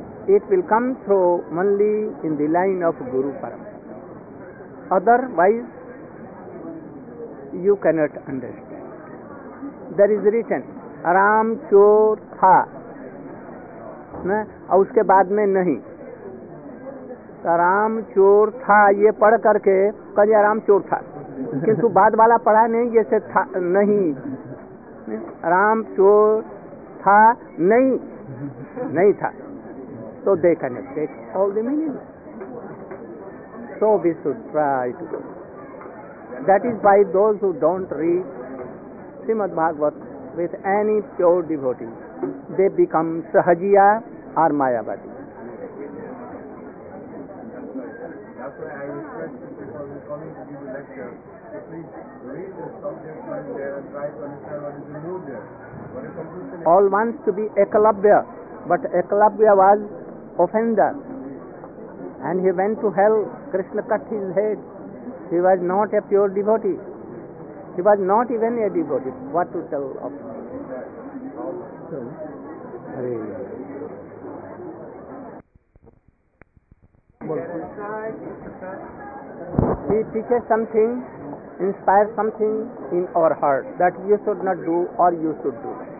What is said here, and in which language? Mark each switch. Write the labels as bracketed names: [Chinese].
[English] It will come through only in the line of Guru Parampara. Otherwise, you cannot understand. There is written, [Hindi] Ram Chor Tha. Na? Uske baad mein nahi. Ram चोर था ये पढ़ करके कल राम चोर था किंतु बाद वाला पढ़ा नहीं जैसे था नहीं राम चोर था नहीं नहीं था तो देखा नहीं देख [English] All the meaning so we should try to that is by those who don't read Shrimad Bhagavat with any pure devotee they become Sahajiya और Mayavadi All wants to be Ekalavya, but Ekalavya was offender and he went to hell. Krishna cut his head. He was not a pure devotee. He was not even a devotee. What to tell of He teaches something, inspires something in our heart that you should not do or you should do.